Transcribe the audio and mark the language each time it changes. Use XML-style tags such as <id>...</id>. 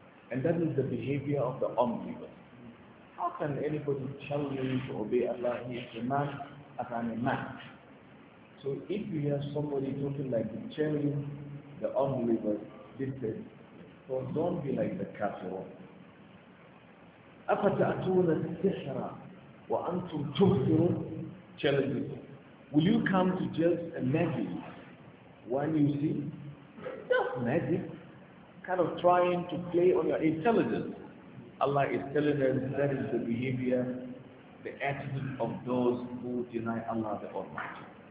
<en>And that is the behavior of the unbeliever. How can anybody tell you to obey Allah? He is a man as I'm a man. So if you hear somebody talking like the cherubim, the unbeliever, this is. So don't be like the kafir.</en> <ar>أَفَتَأْتُونَ السِّحْرَ وَأَنْتُمْ تُبْصِرُونَ Challenging.</ar> <en>Will you come to just a magic when you see? Just magic. Kind of trying to play on your intelligence. Allah is telling us that is the behavior, the attitude of those who deny Allah the Almighty.</en>